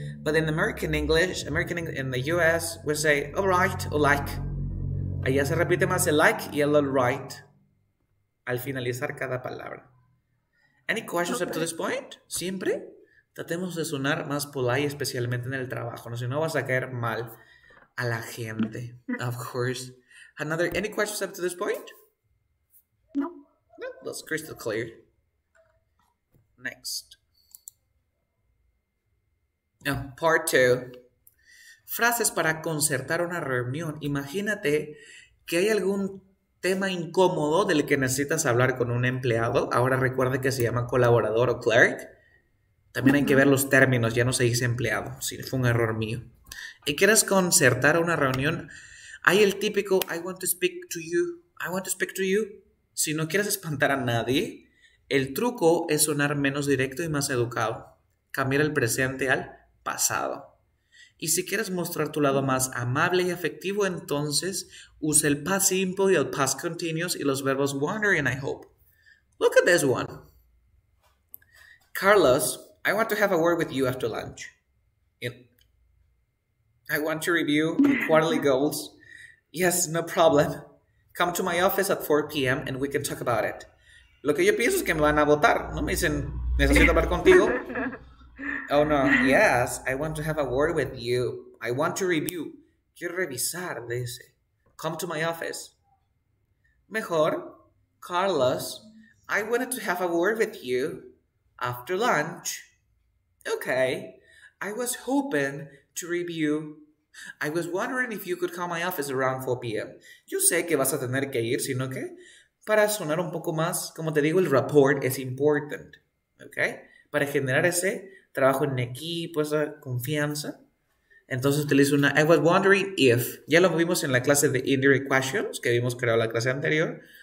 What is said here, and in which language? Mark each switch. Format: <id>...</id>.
<en>But in American English, in the US, we say all right or like.</en> <es>Allá se repite más el like y el all right al finalizar cada palabra.</es> <en>Any questions up to this point?</en> <es>Siempre. Tratemos de sonar más polite, especialmente en el trabajo, ¿no? Si no, vas a caer mal a la gente.</es> <en>Of course.</en> <es>Any questions up to this point?</es> <en>No. was crystal clear. Next.</en> <es>No,</es> <en>part two.</en> <es>Frases para concertar una reunión. Imagínate que hay algún tema incómodo del que necesitas hablar con un empleado. Ahora recuerde que se llama colaborador o clerk. También hay que ver los términos, ya no se dice empleado, si fue un error mío. Y quieres concertar una reunión, hay el típico</es> <en>I want to speak to you,</en> <es>I want to speak to you. Si no quieres espantar a nadie, el truco es sonar menos directo y más educado. Cambiar el presente al pasado. Y si quieres mostrar tu lado más amable y afectivo, entonces usa el past simple y el past continuous y los verbos wonder and I hope.</es> <en>Look at this one. Carlos, I want to have a word with you after lunch. I want to review your quarterly goals. Yes, no problem. Come to my office at 4 p.m. and we can talk about it.</en> <es>Lo que yo pienso es que me van a votar. No me dicen, necesito hablar contigo. Oh, no.</es> <en>Yes, I want to have a word with you. I want to review.</en> <es>Quiero revisar, dice.</es> <en>Come to my office. Mejor, Carlos, I wanted to have a word with you after lunch. Okay. I was hoping to review. I was wondering if you could call my office around 4 p.m.</en> <es>Yo sé que vas a tener que ir, sino que para sonar un poco más, como te digo, el rapport es important. Okay? Para generar ese trabajo en equipo, esa confianza. Entonces utilizo una I was wondering if. Ya lo vimos en la clase de indirect questions que vimos creo la clase anterior.</es>